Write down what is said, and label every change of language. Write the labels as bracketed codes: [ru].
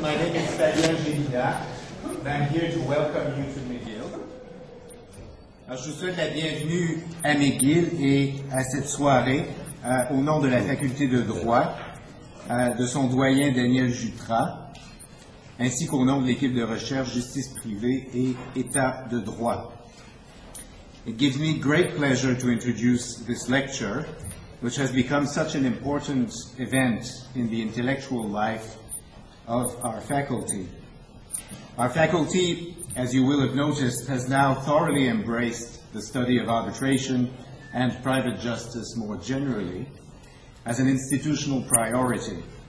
[en] My name is Sergio Ginja, and I'm here to welcome you to McGill. [fr] Je vous souhaite la bienvenue à McGill et à cette soirée au nom de la faculté de droit de son doyen Daniel Jutras, ainsi qu'au nom de l'équipe de recherche Justice privée et État de droit. [en] It gives me great pleasure to introduce this lecture, which has become such an important event in the intellectual life of our faculty. Our faculty, as you will have noticed, has now thoroughly embraced the study of arbitration and private justice more generally as an institutional priority.